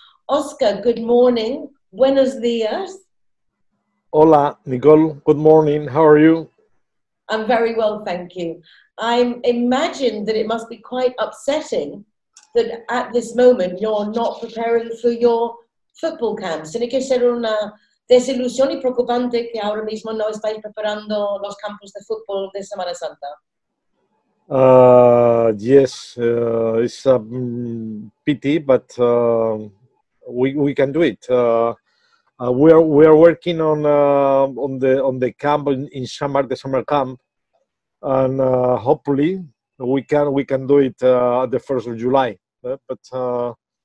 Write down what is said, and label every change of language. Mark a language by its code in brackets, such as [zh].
[en] Oscar, good morning. [es] Buenos dias. [en] Hola, Nicole. Good morning. How are you? I'm very well, thank you. I imagine that it must be quite upsetting that at this moment you're not preparing for your football camps. [es] Tiene que ser una desilusión y preocupante que ahora mismo no estáis preparando los campos de fútbol de Semana Santa. [en] Yes, it's a pity, but we can do it. We are working on the camp in summer, the summer camp, and hopefully we can do it the 1st of July.